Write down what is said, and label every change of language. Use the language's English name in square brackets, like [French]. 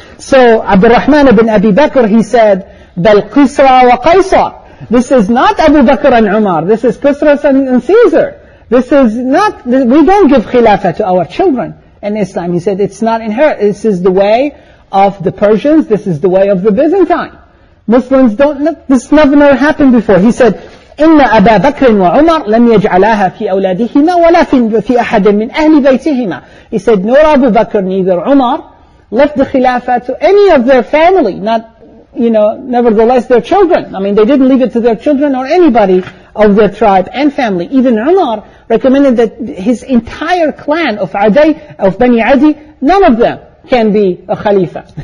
[English] So Abdurrahman ibn Abi Bakr, he said, [Arabic] Bal Qisra wa Qaisar. [English] This is not Abu Bakr and Umar. This is Qisra and Caesar. This is not, we don't give Khilafah to our children in Islam. He said, it's not inherent. This is the way of the Persians. This is the way of the Byzantine. Muslims don't, this never happened before. He said, [Arabic] إِنَّ أَبَا بَكْرٍ وَعُمَرْ لَمْ يَجْعَلَهَا فِي أَوْلَادِهِمَا وَلَا فِي أَحَدٍ مِّنْ أَهْلِ بَيْتِهِمَا. [English] He said, nor Abu Bakr, neither Umar, left the Khilafah to any of their family. Not, you know, nevertheless their children. I mean, they didn't leave it to their children or anybody of their tribe and family. Even Umar recommended that his entire clan of Adi, of Bani Adi, none of them can be a Khalifa.